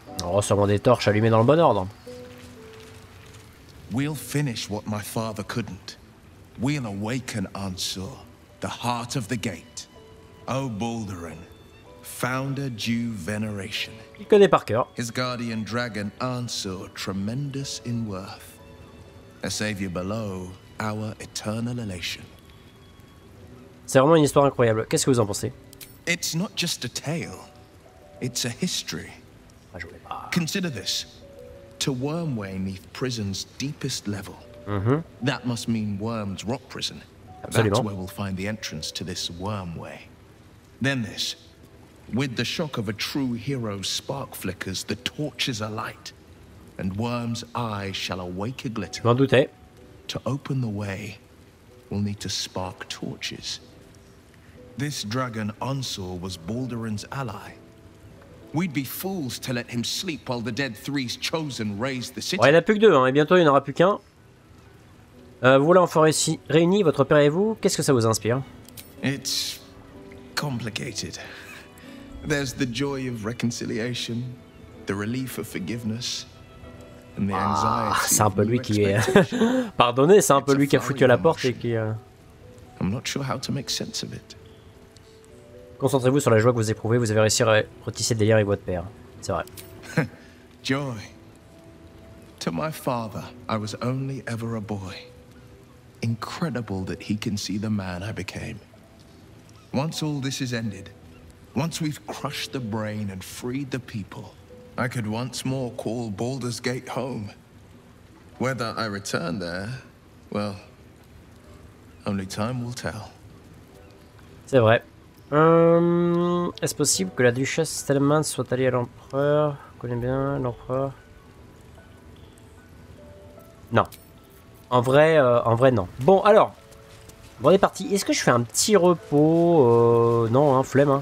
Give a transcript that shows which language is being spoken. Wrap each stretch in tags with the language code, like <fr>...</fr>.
<fr>Oh, sûrement des torches allumées dans le bon ordre.</fr> <en>We'll finish what my father couldn't. We'll awaken Ansur, the heart of the gate. O Balduran, founder due veneration.</en> <fr>Il connaît par cœur.</fr> <en>His guardian dragon Ansur, tremendous in worth. A savior below, our eternal elation.</en> <fr>C'est vraiment une histoire incroyable. Qu'est-ce que vous en pensez?</fr> <en>It's not just a tale. It's a history.</en> <fr>Ah, je voulais pas.</fr> <en>Consider this. To Wormway, neath prison's deepest level. Mm-hmm. That must mean Worm's Rock Prison.</en> <fr>Absolument.</fr> <en>That's where we'll find the entrance to this Wormway. Then this. With the shock of a true hero's spark flickers, the torches alight, and Worm's eyes shall awake a glitter.</en> <fr>M'en doutais.</fr> <en>To open the way, we'll need to spark torches. This dragon, Ansur, was Balduran's ally. We'd be fools to let him sleep while the dead three's chosen raise the city.</en> <fr>Ouais, il n'y en a plus que deux, hein, et bientôt il n'y en aura plus qu'un. Vous voilà en forêt réunis, votre père et vous, qu'est-ce que ça vous inspire?</fr> <en>It's complicated. There's the joy of reconciliation, the relief of forgiveness, and the anxiety.</en> <fr>C'est un peu lui qui est... Pardonnez, c'est un peu lui qui a foutu à la porte et qui...</fr> <en>I'm not sure how to make sense of it.</en> <fr>Concentrez-vous sur la joie que vous éprouvez. Vous avez réussi à retisser des liens avec votre père. C'est vrai.</fr> <en>Joy. To my father, I was only ever a boy. Incredible that he can see the man I became. Once all this is ended, once we've crushed the brain and freed the people, I could once more call Baldur's Gate home. Whether I return there, well, only time will tell.</en> <fr>C'est vrai. Est-ce possible que la duchesse Stellman soit alliée à l'empereur? Connais bien l'empereur. Non. En vrai, non. Bon, alors. Bon, on est parti. Est-ce que je fais un petit repos? Non, hein, flemme. Hein.</fr>